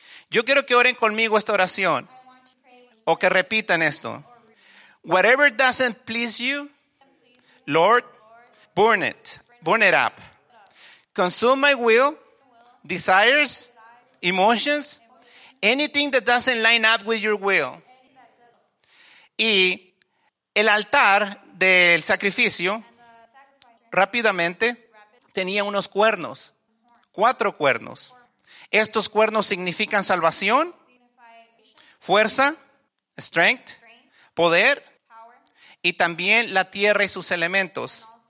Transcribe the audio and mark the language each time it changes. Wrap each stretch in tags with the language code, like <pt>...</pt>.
<es>Yo quiero que oren conmigo esta oración. O que repitan esto.</es> <en>Whatever doesn't please you, Lord, burn it. Burn it up. Consume my will, desires, emotions, anything that doesn't line up with your will.</en> <es>Y el altar del sacrificio, rápidamente, tenía unos cuernos. Cuatro cuernos. Estos cuernos significan salvación, fuerza, strength, poder y también la tierra y sus elementos.</es>